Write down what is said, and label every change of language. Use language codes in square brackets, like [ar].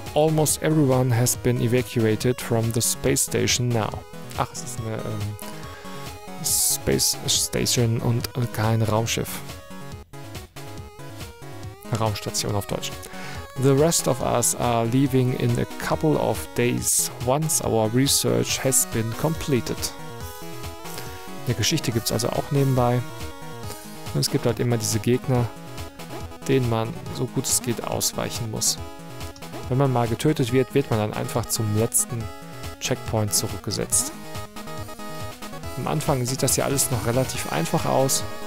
[en] Almost everyone has been evacuated from the space station now. [de] Ach, es ist eine Space Station und kein Raumschiff. Raumstation auf Deutsch. [en] The rest of us are leaving in a couple of days once our research has been completed. [de] Eine Geschichte gibt es also auch nebenbei. Und es gibt halt immer diese Gegner, denen man so gut es geht ausweichen muss. Wenn man mal getötet wird, wird man dann einfach zum letzten Checkpoint zurückgesetzt. Am Anfang sieht das ja alles noch relativ einfach aus.